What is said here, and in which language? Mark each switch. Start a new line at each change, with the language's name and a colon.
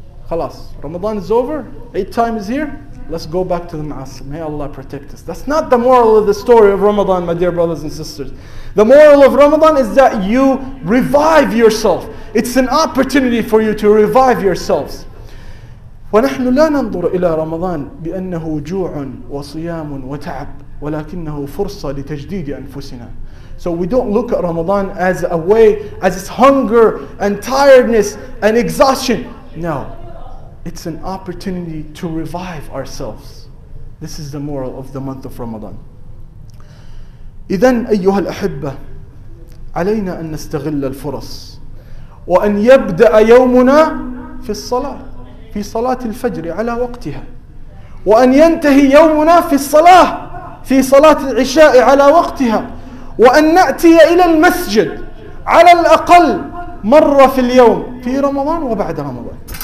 English: خلاص رمضان is over, eight time is here, let's go back to the ma'asi. May Allah protect us. That's not the moral of the story of Ramadan, my dear brothers and sisters. The moral of Ramadan is that you revive yourself. It's an opportunity for you to revive yourselves.
Arabic: ونحن لا ننظر إلى رمضان بأنه جوع وصيام وتعب ولكنه فرصة لتجديد أنفسنا.
English: So we don't look at Ramadan as a way, as it's hunger and tiredness and exhaustion. No, it's an opportunity to revive ourselves. This is the moral of the month of Ramadan.
Arabic: إذن أيها الأحبة علينا أن نستغل الفرص وأن يبدأ يومنا في الصلاة في صلاة الفجر على وقتها وأن ينتهي يومنا في الصلاة في صلاة العشاء على وقتها وأن نأتي إلى المسجد على الأقل مرة في اليوم في رمضان وبعد رمضان